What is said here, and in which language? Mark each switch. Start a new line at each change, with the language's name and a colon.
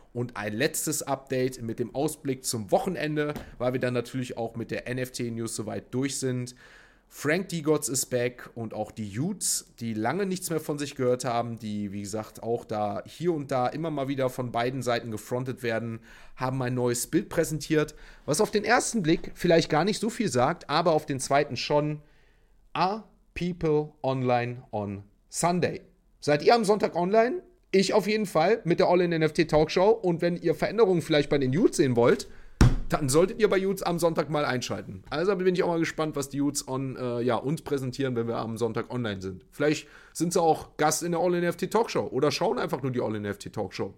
German: Und ein letztes Update mit dem Ausblick zum Wochenende, weil wir dann natürlich auch mit der NFT-News soweit durch sind. Frank D. Gods is back und auch die Utes, die lange nichts mehr von sich gehört haben, die, wie gesagt, auch da hier und da immer mal wieder von beiden Seiten gefrontet werden, haben ein neues Bild präsentiert, was auf den ersten Blick vielleicht gar nicht so viel sagt, aber auf den zweiten schon.
English: Are people online on Sunday?
German: Seid ihr am Sonntag online? Ich auf jeden Fall mit der All-in-NFT-Talkshow. Und wenn ihr Veränderungen vielleicht bei den Utes sehen wollt, dann solltet ihr bei Utes am Sonntag mal einschalten. Also bin ich auch mal gespannt, was die Utes uns präsentieren, wenn wir am Sonntag online sind. Vielleicht sind sie auch Gast in der All-NFT-Talkshow oder schauen einfach nur die All-NFT-Talkshow.